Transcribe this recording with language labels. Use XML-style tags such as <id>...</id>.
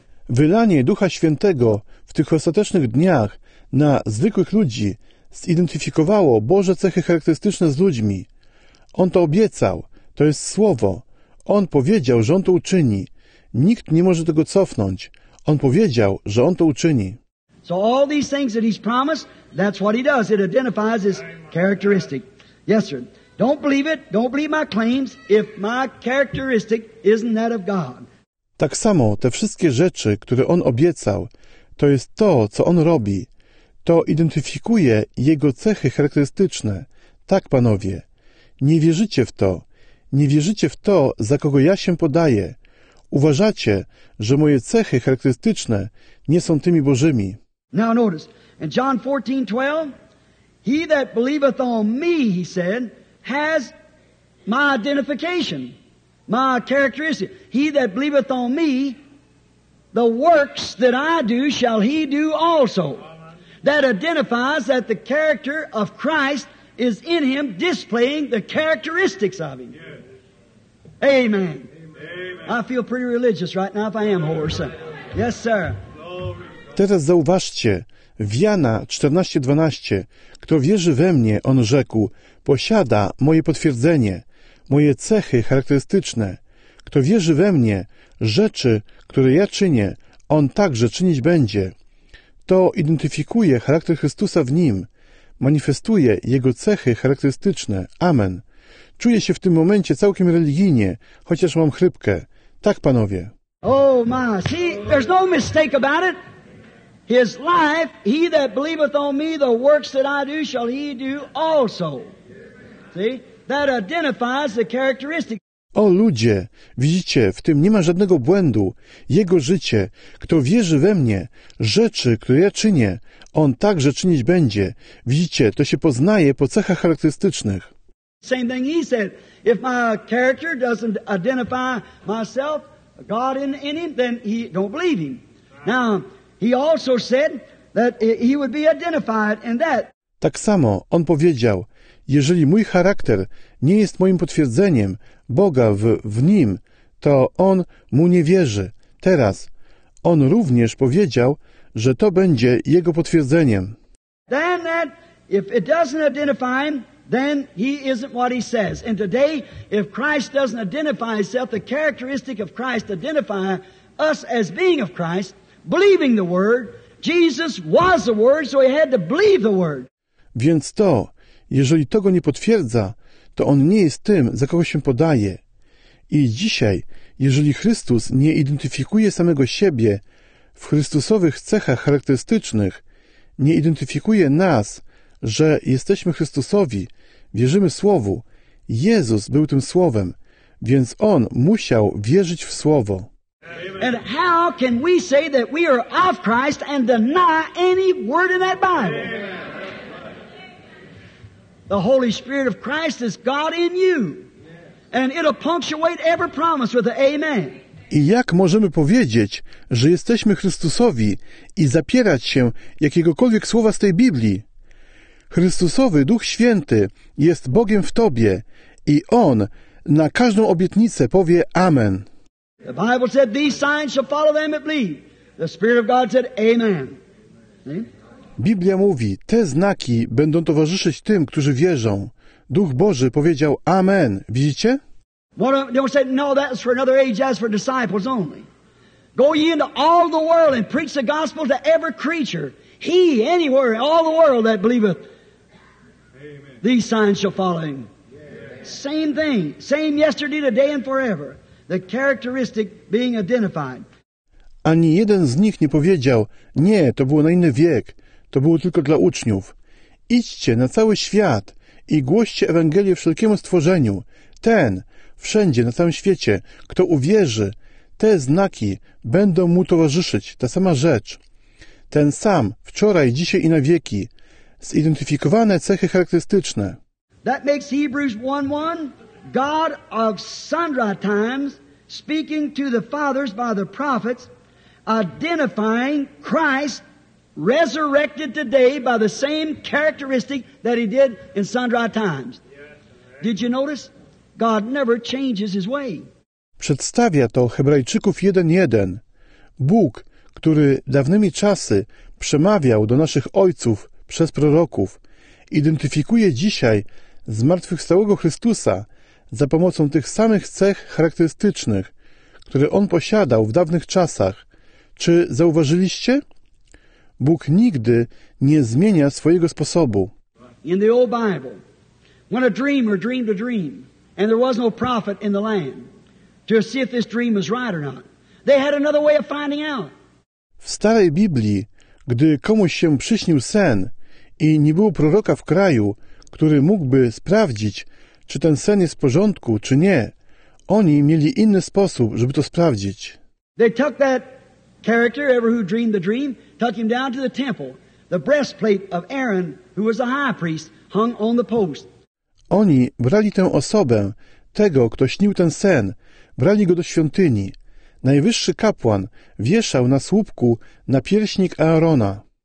<pl>Wylanie Ducha Świętego w tych ostatecznych dniach na zwykłych ludzi zidentyfikowało Boże cechy charakterystyczne z ludźmi. On to obiecał. To jest Słowo. On powiedział, że On to uczyni. Nikt nie może tego cofnąć. On powiedział, że On to uczyni.</pl> <en>So all these things that He's promised, that's what He does. It identifies His characteristic. Yes, sir. Don't believe it. Don't believe my claims if my characteristic isn't that of God.</en> <pl>Tak samo te wszystkie rzeczy, które On obiecał, to jest to, co On robi. To identyfikuje Jego cechy charakterystyczne. Tak, panowie, nie wierzycie w to. Nie wierzycie w to, za kogo ja się podaję. Uważacie, że moje cechy charakterystyczne nie są tymi Bożymi.</pl> <en>Now notice, in John 14:12, he that believeth on me, he said, has my identification, my characteristic. He that believeth on me, the works that I do shall he do also. That identifies that the character of Christ is in him, displaying the characteristics of him. Amen. I feel pretty religious right now if I am hoarse. Yes, sir.</en> <pl>Teraz zauważcie, w Jana 14:12, kto wierzy we mnie, on rzekł, posiada moje potwierdzenie, moje cechy charakterystyczne. Kto wierzy we mnie, rzeczy, które ja czynię, on także czynić będzie. To identyfikuje charakter Chrystusa w nim, manifestuje jego cechy charakterystyczne. Amen. Czuję się w tym momencie całkiem religijnie, chociaż mam chrypkę. Tak, panowie.</pl> <en>Oh my, see, there's no mistake about it. His life, he that believeth on me, the works that I do, shall he do also. See, that identifies the characteristic.</en> <pl>O ludzie, widzicie, w tym nie ma żadnego błędu. Jego życie, kto wierzy we mnie, rzeczy, które ja czynię, on także czynić będzie. Widzicie, to się poznaje po cechach charakterystycznych.</pl> <en>Same thing he said. If my character doesn't identify myself, God in him, then he don't believe him. Now, he also said that he would be identified in that.</en> <pl>Tak samo on powiedział, jeżeli mój charakter nie jest moim potwierdzeniem Boga w nim, to on mu nie wierzy. Teraz on również powiedział, że to będzie jego potwierdzeniem.</pl> <en>Then that, if it doesn't identify him, then he isn't what he says. And today, if Christ doesn't identify himself, the characteristic of Christ identify us as being of Christ, believing the word, Jesus was the word, so he had to believe the word.</en> <pl>Więc to, jeżeli to go nie potwierdza, to on nie jest tym, za kogo się podaje. I dzisiaj, jeżeli Chrystus nie identyfikuje samego siebie w chrystusowych cechach charakterystycznych, nie identyfikuje nas, że jesteśmy Chrystusowi, wierzymy Słowu. Jezus był tym Słowem, więc On musiał wierzyć w Słowo.</pl> <en>And how can we say that we are of Christ and deny any word in that Bible? The Holy Spirit of Christ is God in you. And it'll punctuate every promise with an amen.</en> <pl>I jak możemy powiedzieć, że jesteśmy Chrystusowi i zapierać się jakiegokolwiek słowa z tej Biblii? Chrystusowy Duch Święty jest Bogiem w tobie i On na każdą obietnicę powie amen.</pl> <en>The Bible said these signs shall follow them that believe. The Spirit of God said amen.</en> <pl>Biblia mówi, te znaki będą towarzyszyć tym, którzy wierzą. Duch Boży powiedział amen. Widzicie?</pl> <en>Don't say, no, that's for another age, that's for disciples only. Go ye into all the world and preach the gospel to every creature. He, anywhere, all the world that believeth. Amen. These signs shall follow him. Yeah. Same thing, same yesterday, today and forever. The characteristic being identified.</en> <pl>Ani jeden z nich nie powiedział, nie, to było na inny wiek. To było tylko dla uczniów. Idźcie na cały świat i głoście Ewangelię wszelkiemu stworzeniu. Ten, wszędzie, na całym świecie, kto uwierzy, te znaki będą mu towarzyszyć. Ta sama rzecz. Ten sam, wczoraj, dzisiaj i na wieki. Zidentyfikowane cechy charakterystyczne.</pl> <en>That makes Hebrews 1:1 God of sundry times speaking to the fathers by the prophets identifying Christ resurrected today by the same characteristic that he did in sundry times. Did you notice? God never changes his way.</en> <pl>Przedstawia to Hebrajczyków 1:1. Bóg, który dawnymi czasy przemawiał do naszych ojców przez proroków, identyfikuje dzisiaj zmartwychwstałego Chrystusa za pomocą tych samych cech charakterystycznych, które on posiadał w dawnych czasach. Czy zauważyliście? Bóg nigdy nie zmienia swojego sposobu.</pl> <en>In the old Bible, when a dreamer dreamed a dream, and there was no prophet in the land to see if this dream was right or not, they had another way of finding out.</en> <pl>W starej Biblii, gdy komuś się przyśnił sen i nie było proroka w kraju, który mógłby sprawdzić, czy ten sen jest w porządku, czy nie, oni mieli inny sposób, żeby to sprawdzić.</pl> <en>They took that character, ever who dreamed the dream, took him down to the temple. The breastplate of Aaron, who was the high priest, hung on the post.</en> <pl>Oni brali tę osobę, tego, kto śnił ten sen, brali go do świątyni. Najwyższy kapłan wieszał na słupku na pierśnik Aarona.</pl>